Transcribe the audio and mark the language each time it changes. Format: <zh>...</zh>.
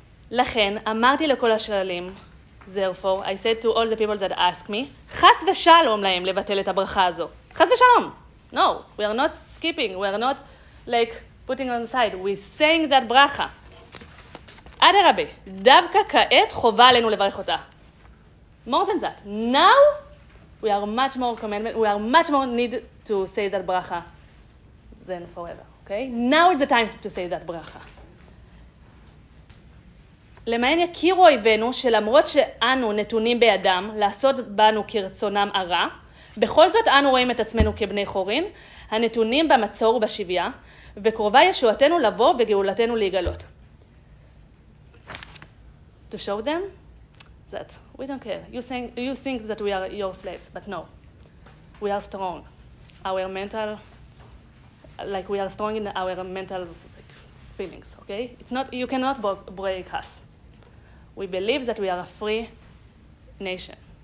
<he>לכן אמרתי לכל השללים,</he> <en>therefore I said to all the people that ask me,</en> <he>חס ושלום להם לבטל את הברכה הזו. חס ושלום.</he> <en>No, we are not skipping. We are not like putting on the side. We saying that bracha.</en> <he>עד הרבה, דווקא כעת חובה עלינו לברך אותה.</he> <en>More than that. Now, we are much more commandment. We are much more need to say that bracha than forever. Okay? Now is the time to say that bracha.</en> <he>למען יכירו אויבינו שלמרות שאנו נתונים בידם לעשות בנו כרצונם הרע, בכל זאת אנו רואים את עצמנו כבני חורין, הנתונים במצור ובשביה, וקרובה ישועתנו לבוא וגאולתנו להיגלות.</he> <en>To show them that we don't care. You think that we are your slaves, but no. We are strong. Our mental, like we are strong in our mental feelings, okay? It's not, you cannot break us. We believe that we are a free nation.</en>